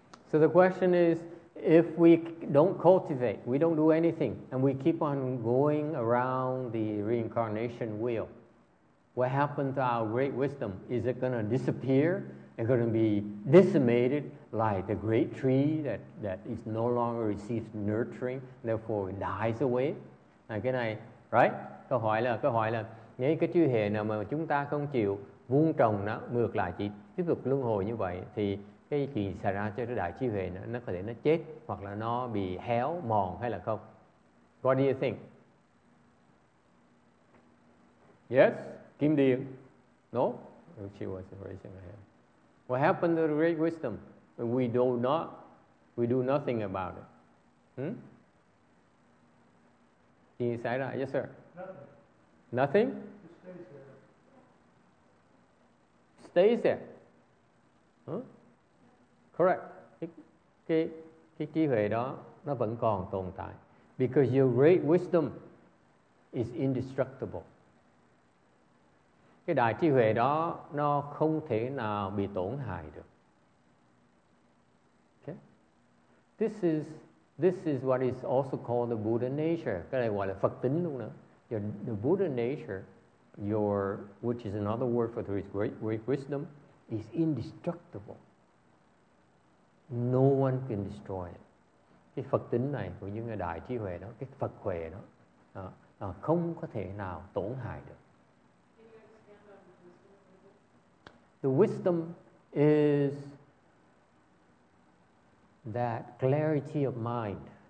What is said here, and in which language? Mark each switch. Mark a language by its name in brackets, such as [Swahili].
[English] So the question is, if we don't cultivate, we don't do anything, and we keep on going around the reincarnation wheel, what happened to our great wisdom? Is it going to disappear? It's going to be decimated like the great tree that is no longer receives nurturing, therefore it dies away? [Vietnamese] Cái này, [English] right? [Vietnamese] Câu hỏi là, nếu cái trí huệ nào mà chúng ta không chịu vuông trồng nó, ngược lại chỉ tiếp tục luân hồi như vậy, thì cái chuyện xảy ra cho đại trí huệ nó có thể nó chết hoặc là nó bị héo mòn hay là không? [English] What do you think? Yes? Kim Điền? No? She was raising her hand. What happened to the great wisdom? We do nothing about it. [Vietnamese] Thì xảy ra, [English] yes sir. Nothing. Nothing? It stays there. Stays there. Huh? Correct. [Vietnamese] Cái trí huệ đó nó vẫn còn tồn tại. [English] Because your great wisdom is indestructible. [Vietnamese] Cái đại trí huệ đó nó không thể nào bị tổn hại được. [English] Okay. This is what is also called the Buddha nature. [Vietnamese] Cái này gọi là Phật tính luôn đó. [English] The Buddha nature, which is another word for his great wisdom, is indestructible. No one can destroy it. [Vietnamese] Cái Phật tính này của những cái đại trí huệ đó, cái Phật huệ đó, không có thể nào tổn hại được. [English] The wisdom is that clarity of mind.